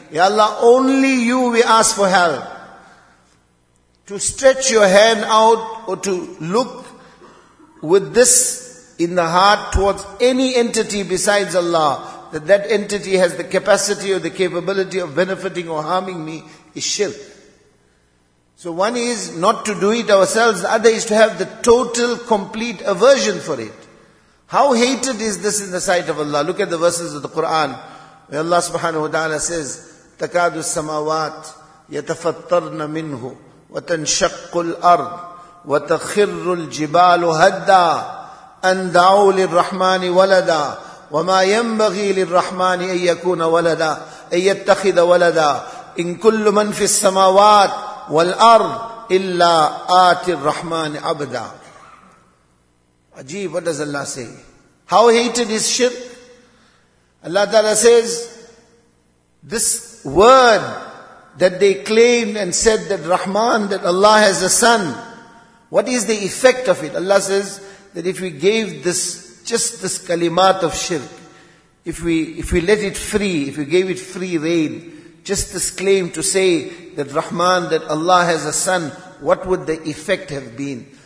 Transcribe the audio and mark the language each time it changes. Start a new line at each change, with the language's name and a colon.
English: Ya Allah, only you we ask for help. To stretch your hand out or to look with this in the heart towards any entity besides Allah, that entity has the capacity or the capability of benefiting or harming me, is shirk. So one is not to do it ourselves, the other is to have the total, complete aversion for it. How hated is this in the sight of Allah? Look at the verses of the Quran, where Allah subhanahu wa ta'ala says,
Arabic: تَكَادُ السَّمَاوَاتِ يَتَفَطَّرْنَ مِنْهُ وَتَنْشَقُّ الْأَرْضِ وَتَخِرُّ الْجِبَالُ هَدَّا أَنْ دَعُوا لِلرَّحْمَانِ وَلَدًا وَمَا يَنْبَغِي لِلرَّحْمَانِ أَنْ يَكُونَ وَلَدًا أَنْ يَتَّخِذَ وَلَدًا إِنْ كُلُّ مَنْ فِي السَّمَاوَاتِ والارض الا آتِ الرحمن عبدا.
English: Ajeeb, what does Allah say? How hated is shirk? Allah Ta'ala says, this word that they claimed and said that Rahman, that Allah has a son, what is the effect of it? Allah says that if we gave this, just this kalimat of shirk, if we let it free, if we gave it free rein, just this claim to say that Rahman, that Allah has a son, what would the effect have been?